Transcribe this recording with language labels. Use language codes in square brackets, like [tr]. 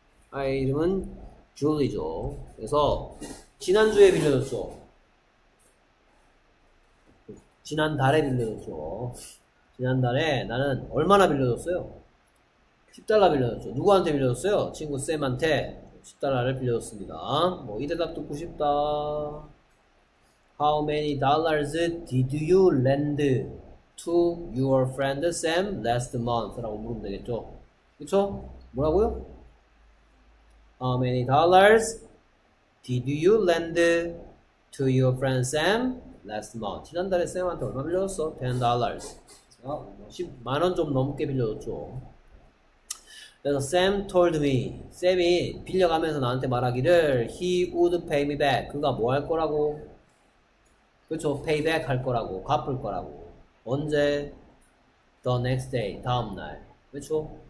[ko] 아이의 이름은 Julie죠. 그래서 지난주에 빌려줬죠. 지난달에 빌려줬죠. 지난달에 나는 얼마나 빌려줬어요? 10달러 빌려줬죠. 누구한테 빌려줬어요? 친구 쌤한테 10달러를 빌려줬습니다. 뭐이 대답 듣고 싶다. [en] How many dollars did you lend to your friend Sam last month? [ko] 라고 물으면 되겠죠. 그쵸? 뭐라고요? [en] How many dollars did you lend to your friend Sam last month? [ko] 지난달에 쌤한테 얼마 빌려줬어? $10. 10만 원좀 넘게 빌려줬죠. [en] 그래서 Sam told me, [ko] Sam이 빌려가면서 나한테 말하기를 [en] he would pay me back. [ko] 그가 뭐할 거라고? 그렇죠. [en] pay back [ko] 할 거라고. 갚을 거라고. 언제? [en] the next day. [ko] 다음 날. 그렇죠?